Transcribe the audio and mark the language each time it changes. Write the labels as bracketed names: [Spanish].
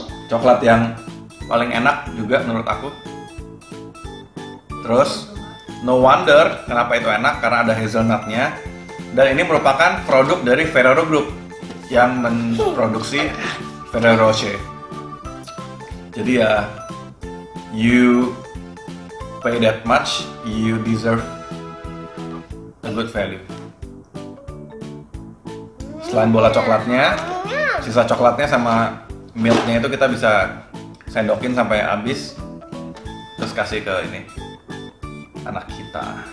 [Indonesian] Coklat yang paling enak juga menurut aku. Terus, [English] no wonder [Indonesian] kenapa itu enak, karena ada hazelnutnya. Dan ini merupakan produk dari Ferrero Group yang memproduksi Ferrero Rocher. Jadi ya, [English] you pay that much, you deserve a good value. [Indonesian] Selain bola coklatnya, sisa coklatnya sama milknya itu kita bisa sendokin sampai habis, terus kasih ke ini anak kita.